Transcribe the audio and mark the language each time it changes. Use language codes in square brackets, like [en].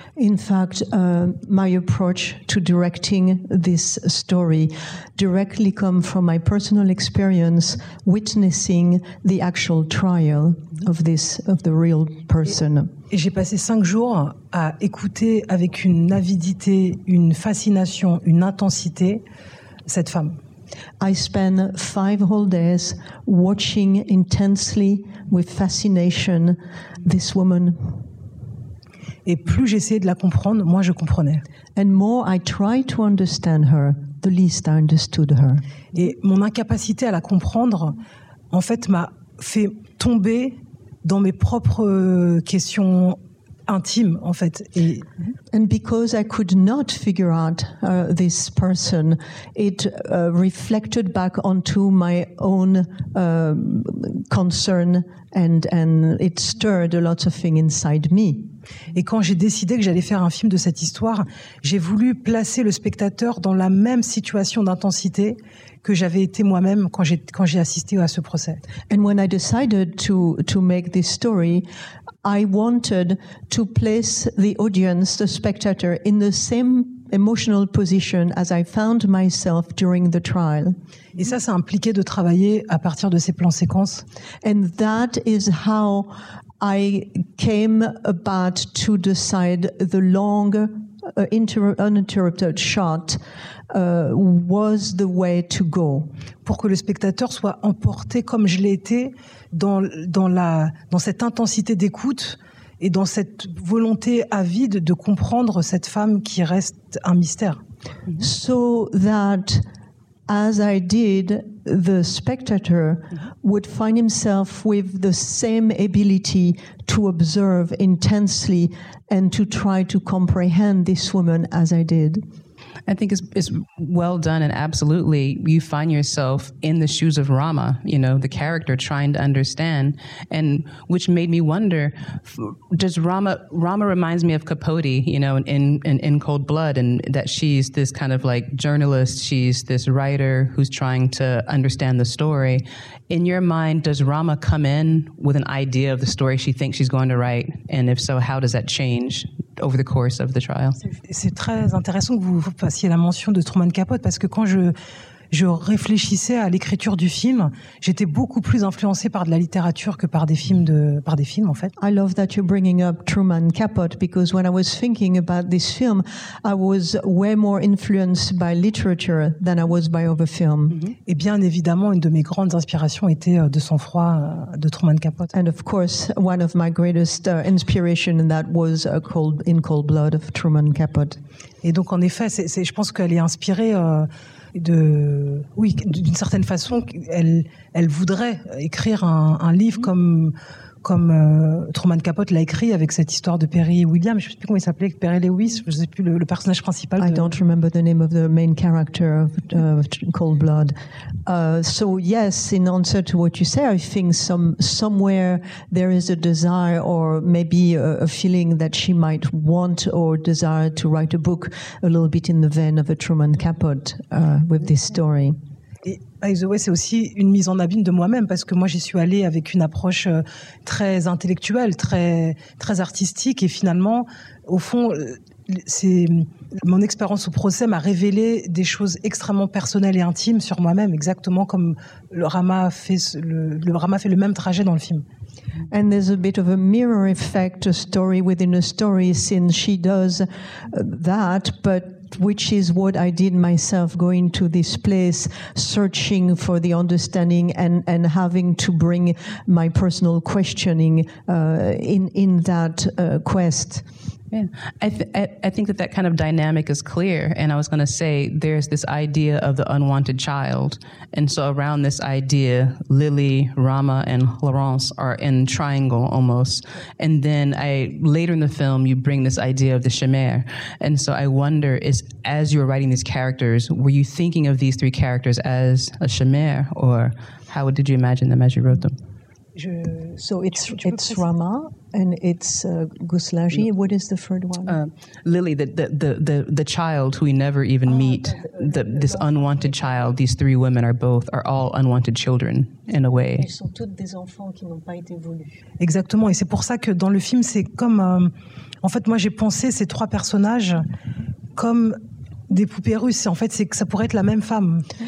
[en] In fact, my approach to directing this story directly comes from my personal experience witnessing the actual trial of the real person. [fr] Et j'ai passé 5 jours à écouter avec une avidité, une fascination, une intensité cette femme. [en] I spent 5 whole days watching intensely with fascination this woman. [fr] Et plus j'essayais de la comprendre, moins je comprenais. [en] And more I tried to understand her, the least I understood her. [fr] Et mon incapacité à la comprendre, en fait, m'a fait tomber dans mes propres questions intime, en fait. [en] And because I could not figure out this person, it reflected back onto my own concern and it stirred a lot of things inside me. [fr] Et quand j'ai décidé que j'allais faire un film de cette histoire, j'ai voulu placer le spectateur dans la même situation d'intensité que j'avais été moi-même quand j'ai assisté à ce procès. [en] And when I decided to make this story, I wanted to place the audience, the spectator, in the same emotional position as I found myself during the trial. [fr] Et ça impliquait de travailler à partir de ces plans séquences. [en] And that is how I came about to decide the long uninterrupted shot was the way to go. [fr] Pour que le spectateur soit emporté comme je l'ai été dans cette intensité d'écoute et dans cette volonté avide de comprendre cette femme qui reste un mystère. [en] so that as I did, the spectator would find himself with the same ability to observe intensely and to try to comprehend this woman as I did. I think it's well done, and absolutely, you find yourself in the shoes of Rama, you know, the character trying to understand, and which made me wonder, does Rama reminds me of Capote, you know, in Cold Blood, and that she's this kind of like journalist, she's this writer who's trying to understand the story. In your mind, does Rama come in with an idea of the story she thinks she's going to write? And if so, how does that change over the course of the trial? [fr] C'est très intéressant que vous fassiez la mention de Truman Capote, parce que quand je réfléchissais à l'écriture du film, j'étais beaucoup plus influencée par de la littérature que par des films en fait. [en] I love that you're bringing up Truman Capote, because when I was thinking about this film, I was way more influenced by literature than I was by other films. Mm-hmm. [fr] Et bien évidemment, une de mes grandes inspirations était De sang-froid de Truman Capote. [en] And of course, one of my greatest inspiration, and that was In Cold Blood of Truman Capote. [fr] Et donc en effet, je pense qu'elle est inspirée d'une certaine façon, elle voudrait écrire un livre comme Truman Capote l'a écrit, avec cette histoire de Perry Williams. Je ne sais plus comment il s'appelait, Perry Lewis, je ne sais plus le personnage principal. [en] I don't remember the name of the main character of Cold Blood. So yes, in answer to what you say, I think somewhere there is a desire, or maybe a feeling that she might want or desire to write a book a little bit in the vein of a Truman Capote with this story. By the way, [fr] c'est aussi une mise en abîme de moi-même, parce que moi j'y suis allée avec une approche très intellectuelle, très, très artistique, et finalement, au fond, c'est mon expérience au procès m'a révélé des choses extrêmement personnelles et intimes sur moi-même, exactement comme le Rama fait le même trajet dans le film. [en] And there's a bit of a mirror effect, a story within a story, since she does that, but which is what I did myself, going to this place, searching for the understanding and having to bring my personal questioning in that quest. I think that kind of dynamic is clear. And I was going to say, there's this idea of the unwanted child. And so around this idea, Lily, Rama, and Laurence are in triangle almost. And then later in the film, you bring this idea of the chimère. And so I wonder, as you were writing these characters, were you thinking of these three characters as a chimère? Or how did you imagine them as you wrote them? So it's Rama and it's Guslaji. No. What is the third one? Lily, the child who we never even meet, this unwanted child. These three women are all unwanted children in a way. [fr] Elles sont toutes des enfants qui n'ont pas été voulus. Exactement, et c'est pour ça que dans le film, c'est comme en fait, moi j'ai pensé ces trois personnages comme des poupées russes, en fait, c'est que ça pourrait être la même femme.